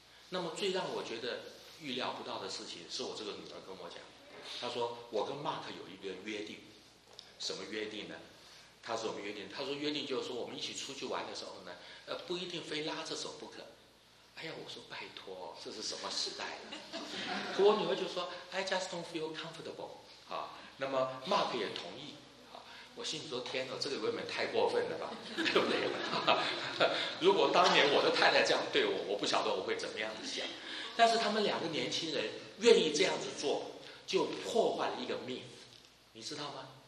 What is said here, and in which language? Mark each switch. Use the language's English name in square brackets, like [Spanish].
[Chinese] 那么最让我觉得预料不到的事情，是我这个女儿跟我讲，她说我跟 Mark 有一个约定。什么约定呢？她说我们约定，她说约定就是说我们一起出去玩的时候呢，不一定非拉着手不可。哎呀，我说拜托，这是什么时代了？可我女儿就说 [English] I just don't feel comfortable [Chinese] 啊。那么 Mark 也同意，啊，我心里说天哪，这个未免太过分了吧，对不对？如果当年我的太太这样对我，我不晓得我会怎么样子想。但是他们两个年轻人愿意这样子做，就破坏了一个 myth， 你知道吗？